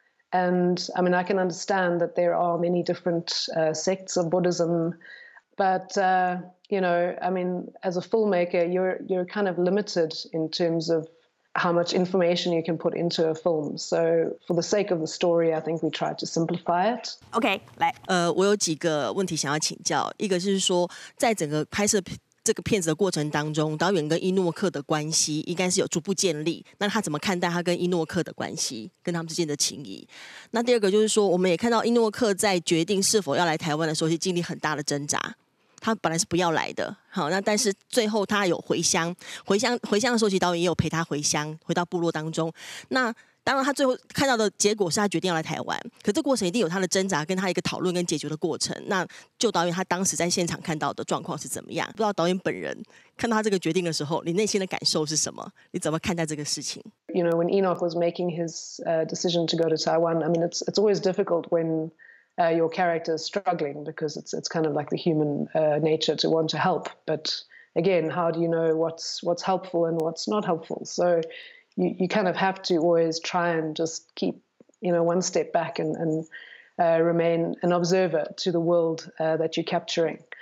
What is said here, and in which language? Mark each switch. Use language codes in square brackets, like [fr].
[en] And I mean, I can understand that there are many different sects of Buddhism, but, as a filmmaker, you're kind of limited in terms of how much information you can put into a film. So for the sake of the story, I think we tried to simplify it. [zh] Okay, 来。我有几个问题想要请教。一个就是说，在整个拍摄这个片子的过程当中，导演跟伊诺克的关系应该是有逐步建立，那他怎么看待他跟伊诺克的关系，跟他们之间的情谊？那第二个就是说，我们也看到伊诺克在决定是否要来台湾的时候，是经历很大的挣扎。他本来是不要来的，好，那但是最后他有回乡，回乡的时候，其实导演也有陪他回乡，回到部落当中。那当然他最后看到的结果是他决定要来台湾，可这过程一定有他的挣扎跟他一个讨论跟解决的过程。那就导演他当时在现场看到的状况是怎么样，不知道导演本人看到他这个决定的时候你内心的感受是什么，你怎么看待这个事情？ [en] You know, when Enock was making his decision to go to Taiwan, I mean, it's always difficult whenyour character is struggling because it's kind of like the humannature to want to help. But again, how do you know what's helpful and what's not helpful? So you kind of have to always try and just keep, you know, one step back and remain an observer to the worldthat you're capturing.